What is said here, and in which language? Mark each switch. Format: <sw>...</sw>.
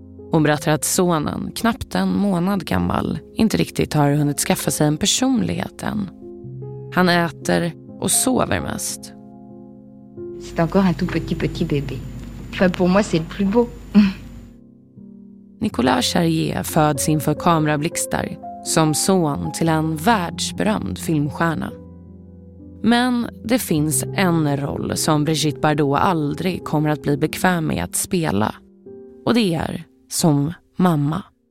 <sv>Hon berättar att sonen, knappt en månad gammal, inte riktigt har hunnit skaffa sig en personlighet än. Han äter och sover mest.</sv> <fr>C'est encore un tout petit bébé. Enfin, pour moi c'est le plus beau.</fr> <sv>Nicolas Charrier föds inför kamerablixtar som son till en världsberömd filmstjärna. Men det finns en roll som Brigitte Bardot aldrig kommer att bli bekväm med att spela. Och det är som mamma.</sv>